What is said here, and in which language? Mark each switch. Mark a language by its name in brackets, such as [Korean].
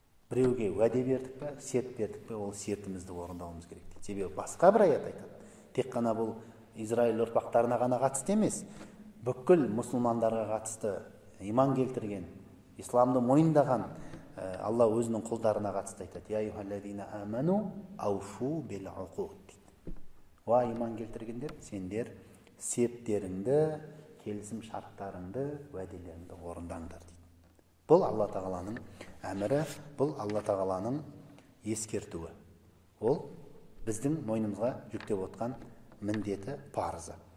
[Kazakh] Біреуге уәде бердік пе, серт бердік пе, ол сертімізді орындауымыз керек. Себебі басқа бір аят айтады. Тек қана бұл Израиль ұрпақтарына ғана қатысты емес, бүкіл мұсылмандарға қатысты, иман келтірген, исламды мойындаған Алла өзінің құлдарына қатысты айтады. [Arabic] Я айюхаллазина аману ауфу бил уқуд. [Kazakh] Уа иман келтіргендер, сендер серттеріңді, келісім шарттарыңды, уәделеріңді орындаңдар. Бұл Алла Тағаланың әмірі, бұл Алла Тағаланың ескертуі. Ол біздің мойнымызға жүктеп отқан міндеті, парызы.